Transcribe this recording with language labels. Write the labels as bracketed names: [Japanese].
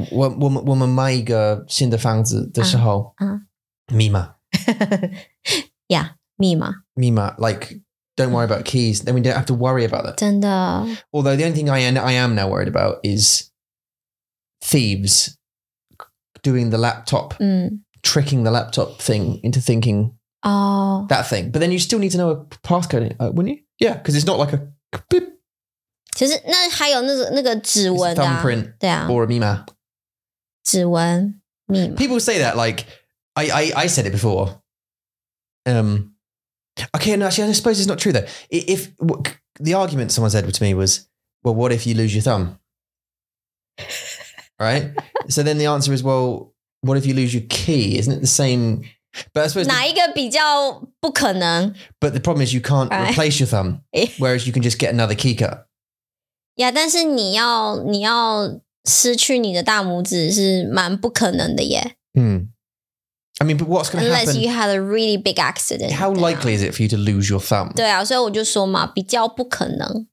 [Chinese] 我们买一个新的房子的时候 密码 [English] Yeah, 密码 like, don't worry about keys, then we don't have to worry about it. [Chinese] 真的。 [English] Although the only thing I am now worried about is thieves. Doing the laptop,、 mm. tricking the laptop thing into thinking、 oh. that thing. But then you still need to know a passcode, wouldn't you? Yeah, because it's not like a beep. [Chinese] 其实那还有那个指纹啊。 [English] Thumbprint、啊、 or a 密码。 [Chinese] 指纹密码。 [English] People say that, like, I said it before. Okay, and actually I suppose it's not true though. If the argument someone said to me was, well, what if you lose your thumb? Right? So then the answer is, well, what if you lose your key? Isn't it the same? But I suppose [Chinese] 哪一个比较不可能? [English] But the problem is you can't replace your thumb, whereas you can just get another key cut. [Chinese] Yeah, 但是你要失去你的大拇指是蛮不可能的耶。 [English] Hmm. I mean, but what's going to happen? Unless you had a really big accident. How likely is it for you to lose your thumb? [Chinese] 对啊，所以我就说嘛，比较不可能。